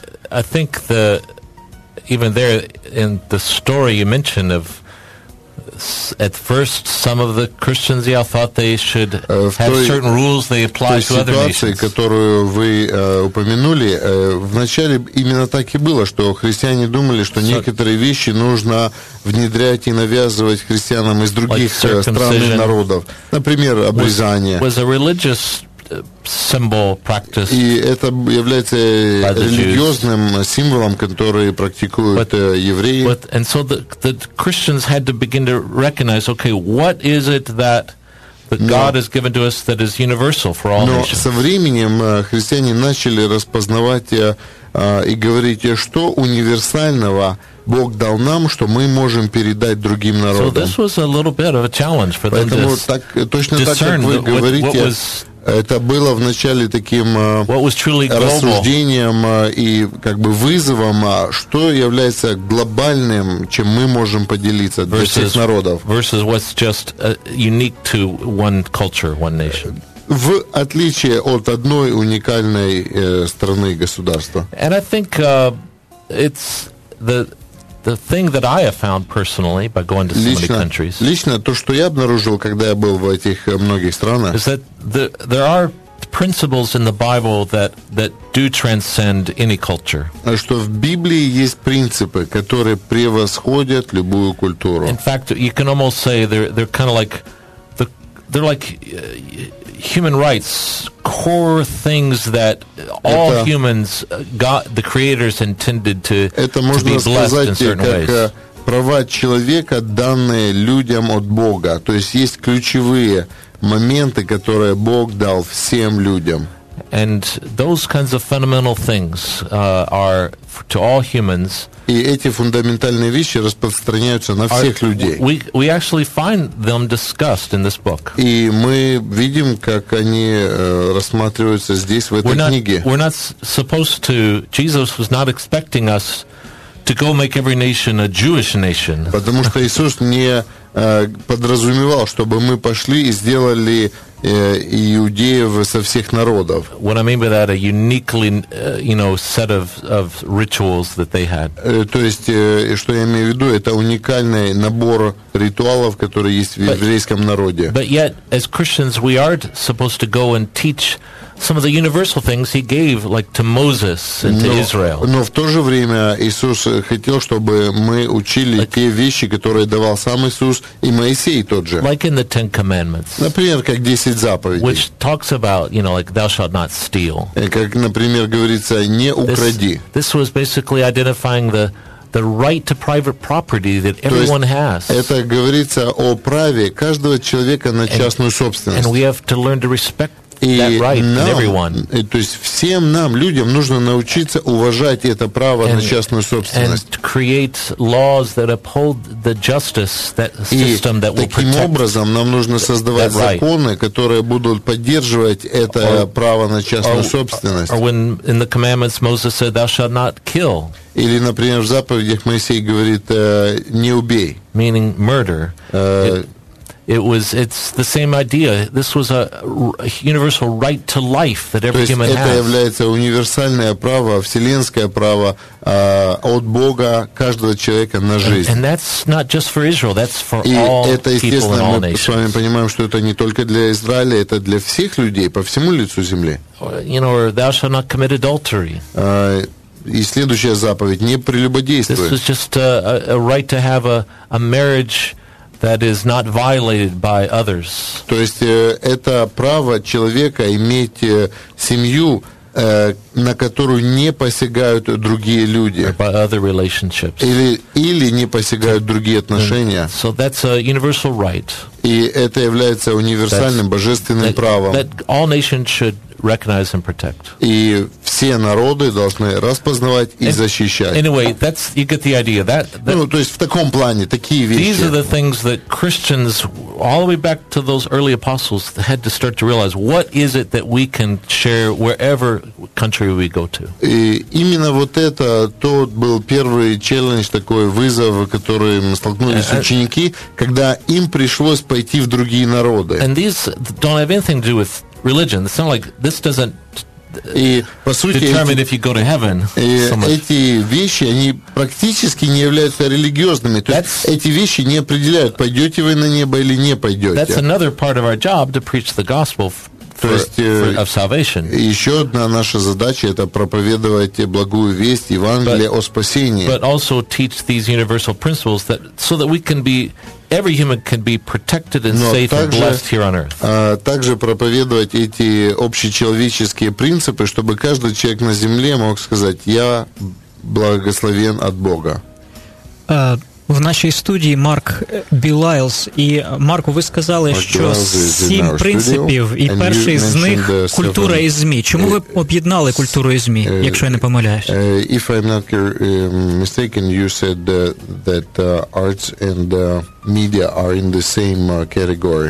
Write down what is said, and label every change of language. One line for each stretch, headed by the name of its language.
English: I think the even there in the story you mentioned of at first some of the Christians, yeah, thought they should have certain rules they apply to other nations.
Russian: В той ситуации, которую вы упомянули, вначале именно так и было, что христиане думали, что некоторые вещи нужно внедрять и навязывать христианам из других стран и народов. Например, обрезание.
English: Was a religious symbol practice.
Russian: И это является религиозным символом, который практикуют евреи.
English: But and so the Christians had to begin to recognize, okay, what is it that God has given to us that is universal for all nations?
Russian: Но со временем христиане начали распознавать и говорить, что универсального Бог дал нам, что мы можем передать другим народам.
English: So this was a little bit of a challenge for them to discern what was.
Russian: Это было вначале таким рассуждением и как бы вызовом, что является глобальным, чем мы можем поделиться для всех народов.
English: Versus what's just unique to one culture, one nation.
Russian: В отличие от одной уникальной страны, государства.
English: And I think it's the thing that I have found personally by going to so
Russian: лично,
English: many countries.
Russian: Лично то, что я обнаружил, когда я был в этих многих странах.
English: Is that there are principles in the Bible that do transcend any culture.
Russian: Что в Библии есть принципы, которые превосходят любую культуру.
English: In fact, you can almost say they're kind of like human rights, core things that all humans got, the creators intended to be blessed in certain ways.
Russian: Это можно сказать, как права человека, данные людям от Бога. То есть есть ключевые моменты, которые Бог дал всем людям.
English: And those kinds of fundamental things are to all humans.
Russian: И эти фундаментальные вещи распространяются на всех людей.
English: We actually find them discussed in this book.
Russian: И мы видим, как они рассматриваются здесь, в этой книге.
English: We're not supposed to. Jesus was not expecting us to go make every nation a Jewish nation.
Russian: Потому что Иисус не подразумевал, чтобы мы пошли и сделали иудеев со всех народов.
English: What I mean by that, a uniquely, set of rituals that they had.
Russian: То есть, что я имею в виду, это уникальный набор ритуалов, которые есть в еврейском народе.
English: But yet, as Christians, we are supposed to go and teach some of the universal things he gave, like to Moses and to Israel.
Russian: Но в то же время Иисус хотел, чтобы мы учили те вещи, которые давал сам Иисус, и Моисей тот же.
English: Like in the Ten Commandments.
Russian: Например, как 10 заповедей.
English: Which talks about, like thou shalt not steal.
Russian: Как, например, говорится, не укради.
English: This was basically identifying the right to private property that everyone has.
Russian: Это говорится о праве каждого человека на частную собственность.
English: And we have to learn to respect
Russian: То есть всем нам, людям, нужно научиться уважать это право на частную собственность.
English: And create laws that uphold the justice, that system that will protect.
Russian: Таким образом, нам нужно создавать законы, которые будут поддерживать это право на частную собственность.
English: Or when in the commandments Moses said, "Thou shalt not kill."
Russian: Или, например, в заповедях Моисей говорит, не убей.
English: Meaning murder. It's the same idea. This was a universal right to life that every human has.
Russian: То есть это является универсальное право, вселенское право от Бога каждого человека на жизнь.
English: And that's not just for Israel. That's for all people in all nations.
Russian: И это, естественно, мы с вами понимаем, что это не только для Израиля, это для всех людей по всему лицу земли.
English: Or thou shalt not commit adultery.
Russian: И следующая заповедь: не прелюбодействуй.
English: This is just a right to have a marriage that is not violated by others.
Russian: То есть это право человека иметь семью, на которую не посягают другие люди.
English: Or by other relationships.
Russian: Или не посягают другие отношения.
English: So that's a universal right.
Russian: И это является универсальным божественным правом.
English: That all nations should recognize and protect.
Russian: И все народы должны распознавать и защищать.
English: Anyway, that's you get the idea.
Russian: То есть в таком плане такие вещи.
English: These are the things that Christians all the way back to those early apostles had to start to realize. What is it that we can share wherever country we go to?
Russian: И именно вот это тот был первый челлендж, такой вызов, который столкнулись ученики, когда им пришлось пойти в другие народы.
English: And these don't have anything to do with religion. It's not like this doesn't
Russian: и, по сути,
English: determine
Russian: эти,
English: if you go to heaven.
Russian: И so эти вещи, они практически не являются религиозными. То есть эти вещи не определяют, пойдете вы на небо или не пойдете.
English: That's another part of our job to preach the gospel.
Russian: Еще одна наша задача — это проповедовать благую весть Евангелия о спасении.
English: But also teach these universal principles that so that we can be every human can be protected and safe and blessed here on earth.
Russian: Также проповедовать эти общечеловеческие принципы, чтобы каждый человек на земле мог сказать: я благословен от Бога.
Ukrainian: В нашій студії Марк Білайлс. І, Марку, ви сказали, що сім принципів, і перший з них – культура і ЗМІ. Чому ви об'єднали культуру і ЗМІ, якщо я не помиляюсь?
English: If I'm not mistaken, you said that arts and media are in the same category.